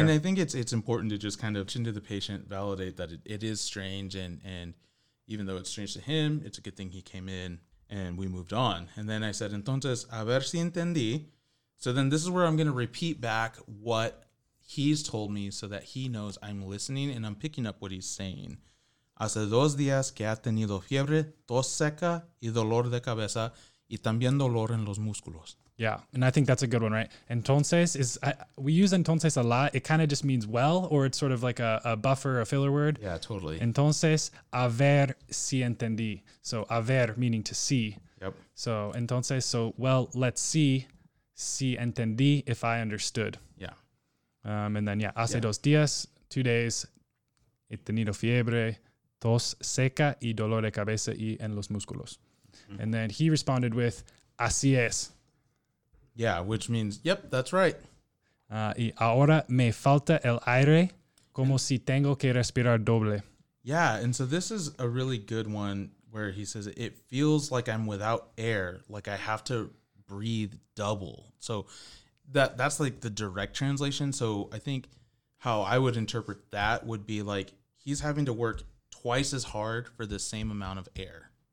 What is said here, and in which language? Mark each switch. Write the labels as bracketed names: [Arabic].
[English] And I think it's important to just kind of chin to the patient, validate that it is strange and even though it's strange to him, it's a good thing he came in and we moved on. And then I said, [Spanish] entonces, a ver si entendí. [English] So then this is where I'm going to repeat back what he's told me so that he knows I'm listening and I'm picking up what he's saying. [Spanish] Hace dos días que ha tenido fiebre, tos seca y dolor de cabeza y también dolor en los músculos. [English] Yeah, and I think that's a good one, right? Entonces we use entonces a lot. It kind of just means well, or it's sort of like a buffer, a filler word. Yeah, totally. [Spanish] Entonces, a ver si entendí. [English] So, [Spanish] a ver [English] meaning to see. Yep. So, entonces, so, well, let's see [Spanish] si entendí, [English] if I understood. Yeah. And then, yeah, hace yeah. [Spanish] dos días, [English] 2 days, [Spanish] he tenido fiebre, tos seca y dolor de cabeza y en los músculos. [English] Mm-hmm. And then he responded with, [Spanish] así es. [English] Yeah, which means, yep, that's right. [Spanish] Y ahora me falta el aire como si tengo que respirar doble. [English] Yeah, and so this is a really good one where he says, it feels like I'm without air, like I have to breathe double. So that's like the direct translation. So I think how I would interpret that would be like he's having to work twice as hard for the same amount of air.